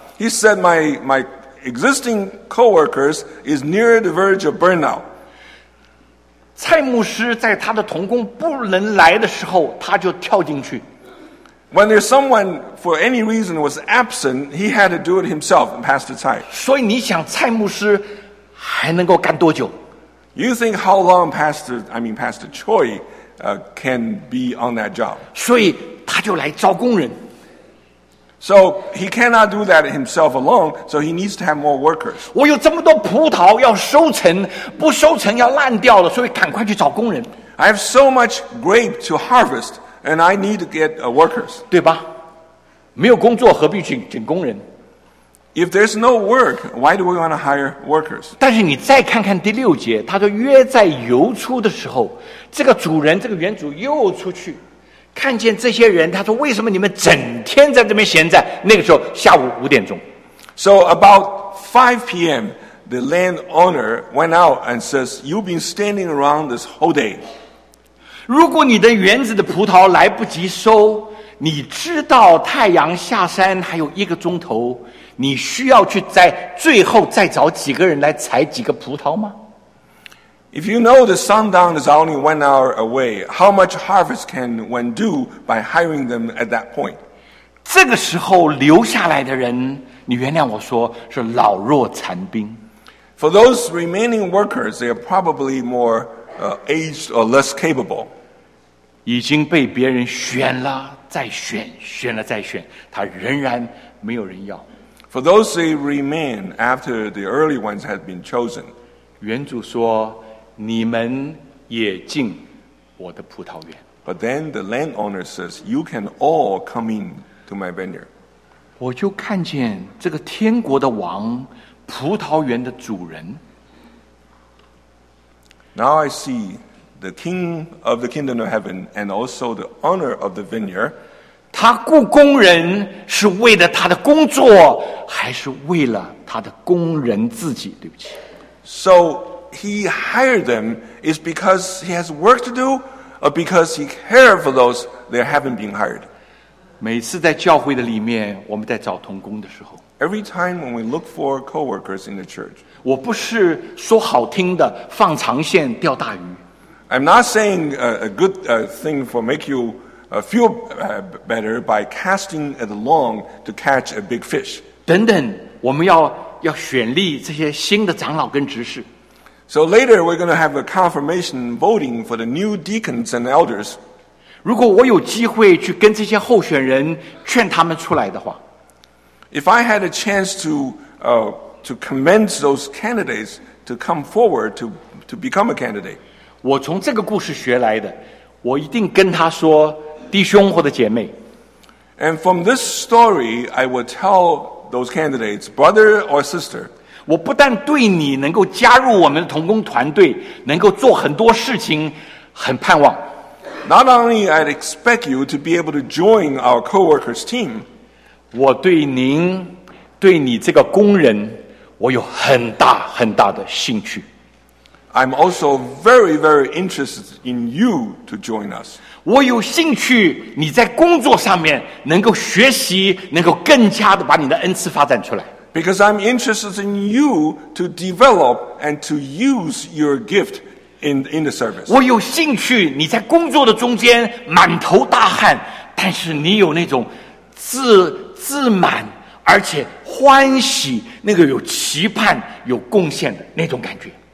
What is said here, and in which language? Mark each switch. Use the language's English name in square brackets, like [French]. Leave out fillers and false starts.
[English] He said my existing co-workers is near the verge of burnout. [Chinese] 蔡牧师在他的童工不能来的时候，他就跳进去。 [English] When there's someone for any reason was absent, he had to do it himself, Pastor Tsai. [Chinese] 所以你想蔡牧师还能够干多久？ [English] You think how long Pastor Choi can be on that job? [Chinese] 所以他就来招工人。 [English] So he cannot do that himself alone, so he needs to have more workers. [Chinese] 我有这么多葡萄要收成，不收成要烂掉了，所以赶快去找工人。 [English] I have so much grape to harvest, and I need to get workers. [Chinese] 对吧？没有工作何必请工人？ [English] If there's no work, why do we want to hire workers? [Chinese] 但是你再看看第六节，他说约在犹出的时候，这个主人，这个原主又出去，看见这些人，他说为什么你们整天在这边闲着？那个时候下午五点钟。 [English] So about 5 p.m., the landowner went out and says, you've been standing around this whole day. [Chinese] 如果你的园子的葡萄来不及收，你知道太阳下山还有一个钟头，你需要去在最后再找几个人来采几个葡萄吗？ [English] If you know the sundown is only 1 hour away, how much harvest can one do by hiring them at that point? [Chinese] 这个时候留下来的人，你原谅我说，是老弱残兵。 [English] For those remaining workers, they are probably more aged or less capable. [Chinese] 已经被别人选了再选，选了再选，他仍然没有人要。 [English] For those who remain after the early ones have been chosen, [Chinese] 原主说，你们也进我的葡萄园。 [English] But then the landowner says, you can all come in to my vineyard. [Chinese] 我就看见这个天国的王，葡萄园的主人。 [English] Now I see the king of the kingdom of heaven and also the owner of the vineyard. [Chinese] 他雇工人是为了他的工作，还是为了他的工人自己？对不起。 [English] So he hired them is because he has work to do, or because he cares for those that haven't been hired. [Chinese] 每次在教会的里面，我们在找同工的时候 [English] ，Every time when we look for co-workers in the church, [Chinese] 我不是说好听的放长线钓大鱼。 [English] I'm not saying a good thing for make you. Feel better by casting it long to catch a big fish. [Chinese] 等等，我们要选立这些新的长老跟执事。 [English] So later we're going to have a confirmation voting for the new deacons and elders. [Chinese] 如果我有机会去跟这些候选人劝他们出来的话 [English] ，If I had a chance to convince those candidates to come forward to become a candidate, [Chinese] 我从这个故事学来的，我一定跟他说。弟兄或者姐妹 [English] And from this story, I will tell those candidates, brother or sister, [Chinese] 我不但对你能够加入我们的同工团队，能够做很多事情，很盼望。 [English] Not only I'd expect you to be able to join our co-workers team, [Chinese] 我对您，对你这个工人，我有很大很大的兴趣。 [English] I'm also very, very interested in you to join us. [Chinese] 我有兴趣你在工作上面能够学习，能够更加的把你的恩赐发展出来。 [English] Because I'm interested in you to develop and to use your gift in the service. [Chinese] 我有兴趣你在工作的中间满头大汗，但是你有那种自满而且欢喜，那个有期盼、有贡献的那种感觉。